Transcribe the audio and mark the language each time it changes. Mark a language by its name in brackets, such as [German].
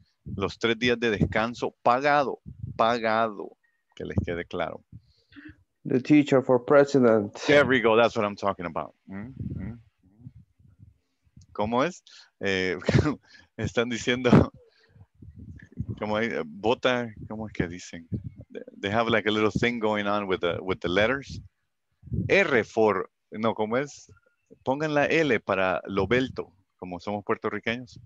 [Spanish] Los tres días de descanso pagado, pagado, que les quede claro. [English] The teacher for president. There we go, that's what I'm talking about. [Spanish] ¿Cómo es? Están diciendo, ¿cómo hay, bota? ¿Cómo es que dicen? [English] They have like a little thing going on with the letters. [Spanish] R for, no, ¿cómo es? Pongan la L para Lobelto, como somos puertorriqueños.